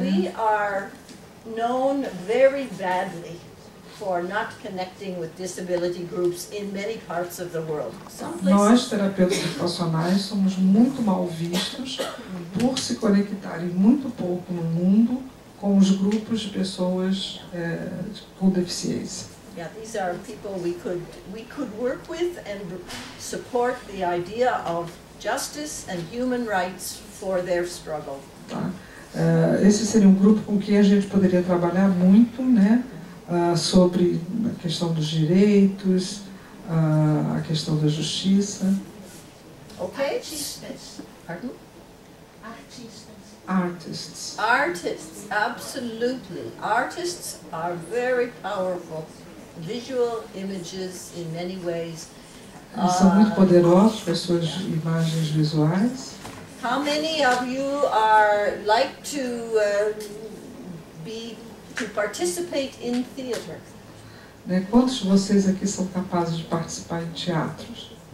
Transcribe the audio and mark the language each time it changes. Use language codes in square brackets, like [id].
[en] We are known very badly for not connecting with disability groups in many parts of the world. [pt] Nós, terapeutas ocupacionais, somos muito mal vistos por se conectarem muito pouco no mundo com os grupos de pessoas com deficiência. [en] Yeah, these are people we could work with and support the idea of justice and human rights for their struggle. [pt] Tá. Esse seria um grupo com quem a gente poderia trabalhar muito, né? Sobre a questão dos direitos, a questão da justiça. [en] Okay. [pt] Artistas. [en] Pardon? [pt] Artistas. [en] Artists. Artists, absolutely. Artists are very powerful. Visual images in many ways. [pt] São muito poderosos, pessoas, imagens visuais. [en] How many of you are like to be to participate in theater. [pt] Né, quantos de vocês aqui são capazes de participar em teatros?